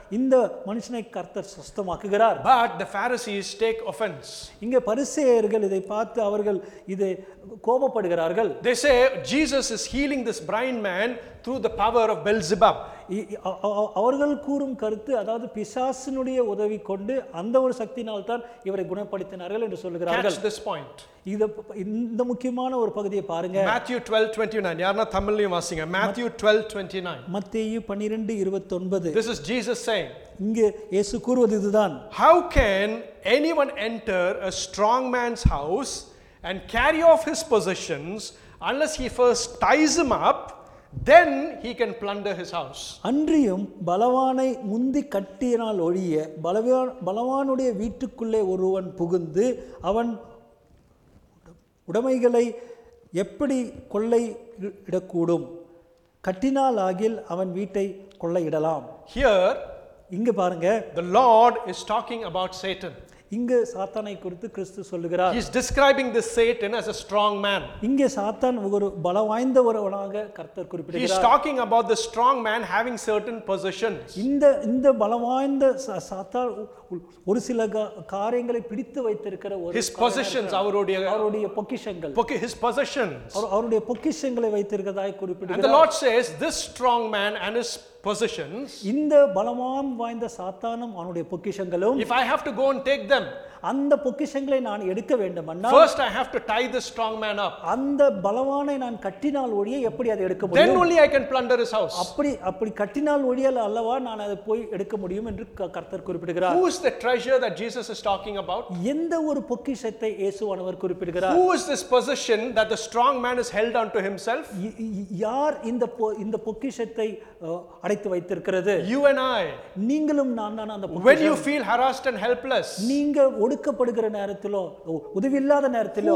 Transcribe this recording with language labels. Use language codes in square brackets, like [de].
[ta] இந்த மனுஷனை கர்த்தர் சுஸ்தமாக்குகிறார். [en] But the Pharisees take offense. [ta] இங்க பரிசேயர்கள் இதை பார்த்து அவர்கள் இதை கோபப்படுகிறார்கள். [en] They say Jesus is healing this blind man through the power of Beelzebub. [ta] அவர்கள் கூறும் கருத்து, அதாவது பிசாசினுடைய உதவி கொண்டு அந்த ஒரு சக்தியினால் தான் இவரை குணப்படுத்தினார்கள் என்று சொல்கிறார்கள். [en] Catch this point. [ta] இந்த முக்கியமான ஒரு பகுதியை பாருங்க. [en] Matthew 12:29. [ta] யாரனா தமிழ்லயும் வாசிங்க. [en] Matthew 12:29. [ta] மத்தேயு 12:29. [en] This is Jesus saying. [ta] இங்கே இயேசு கூறுவது இதுதான். [en] How can anyone enter a strong man's house and carry off his possessions unless he first ties him up? Then he can plunder his house. [ta] அன்றியும் பலவானை முந்தி கட்டியனால் ஒழிய பலவானுடைய வீட்டுக்குள்ளே ஒருவன் புகுந்து அவன் உடைமைகளை எப்படி கொள்ளையிடக்கூடும்? கட்டினால் ஆகில் அவன் வீட்டை கொள்ளையிடலாம். [en] Here, [ta] இங்கு பாருங்க, [en] the Lord is talking about Satan. [ta] இங்கு சாத்தானை குறித்து கிறிஸ்து சொல்லுகிறார். [en] He is describing this Satan as a strong man. [ta] இங்கே சாத்தான் ஒரு பலவாய்ந்த ஒருவனாக கர்த்தர் குறிப்பிடுகிறார். [en] He is talking about the strong man having certain possessions. [ta] இந்த பலவாய்ந்த சாத்தான் ஒரு சில காரியங்களை பிடித்து வைத்திருக்கிற ஒரு, [en] his possessions, [ta] அவருடைய பொக்கிஷங்கள், [en] his possessions, [ta] அவருடைய பொக்கிஷங்களை வைத்திருக்கதாய் குறிப்பிடுகிறார். [en] And the Lord says this strong man and his possessions, [ta] இந்த பலமாம் வாய்ந்த சாத்தானும் அவனுடைய பொக்கிஷங்களும், [en] if I have to go and take them, [ta] அந்த பொக்கிஷங்களை நான் எடுக்க வேண்டும் என்றால், [en] first I have to tie this strong man up, [ta] அந்த பலவானை நான் கட்டினால் ஒழிய எப்படி அதை எடுக்க முடியும்? [en] Then only I can plunder his house. [ta] அப்படி கட்டினால் ஒழிய அல்லவா நான் அதை போய் எடுக்க முடியும் என்று கர்த்தர் குறிப்பிடுகிறார். [en] Who is the treasure that Jesus is talking about? [ta] எந்த ஒரு பொக்கிஷத்தை இயேசு அவர் குறிப்பிடுகிறார்? [en] Who is this possession that the strong man is held on to himself? [ta] யார் இந்த பொக்கிஷத்தை அடைத்து வைத்திருக்கிறது? [en] You and I. [ta] நீங்களும் நான் தான் அந்த பொக்கிஷம். [en] When you feel harassed and helpless, [ta] நீங்க ஒடுக்கப்படுகிற நேரத்திலோ, உதவி இல்லாத நேரத்திலோ,